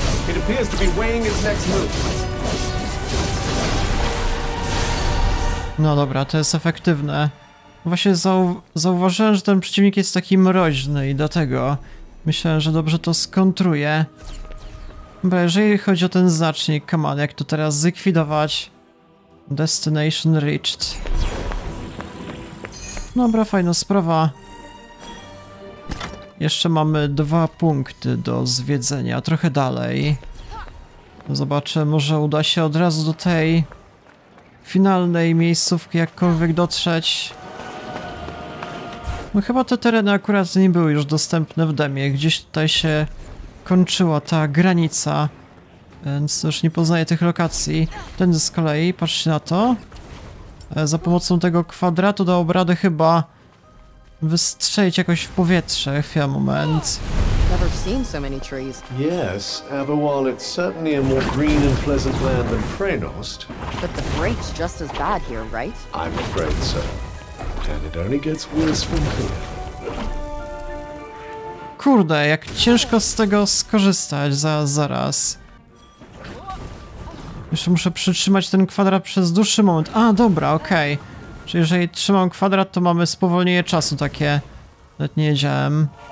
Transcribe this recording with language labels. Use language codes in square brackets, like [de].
[en] It appears to be weighing its next move. [pl] No dobra, to jest efektywne. Właśnie zauważyłem, że ten przeciwnik jest taki mroźny i dlatego myślę, że dobrze to skontruje. Dobra, jeżeli chodzi o ten znacznik, [en] come on, [pl] jak to teraz zlikwidować? [en] Destination reached. [pl] Dobra, fajna sprawa. Jeszcze mamy dwa punkty do zwiedzenia, trochę dalej. Zobaczę, może uda się od razu do tej finalnej miejscówki jakkolwiek dotrzeć. No chyba te tereny akurat nie były już dostępne w demie, gdzieś tutaj się kończyła ta granica, więc już nie poznaję tych lokacji. Ten z kolei, patrzcie na to. Za pomocą tego kwadratu dał obrady chyba wystrzelić jakoś w powietrze. Chwila, moment. [en] Never seen so many trees. Yes, ever while it's certainly a more green and pleasant land than Freynost. But the break's just as bad here, right? I'm afraid so. And it only gets worse from here. [pl] Kurde, jak ciężko z tego skorzystać zaraz. Jeszcze muszę przytrzymać ten kwadrat przez dłuższy moment. A, dobra, okej. Okay. Czyli jeżeli trzymam kwadrat, to mamy spowolnienie czasu takie. Nawet nie wiedziałem.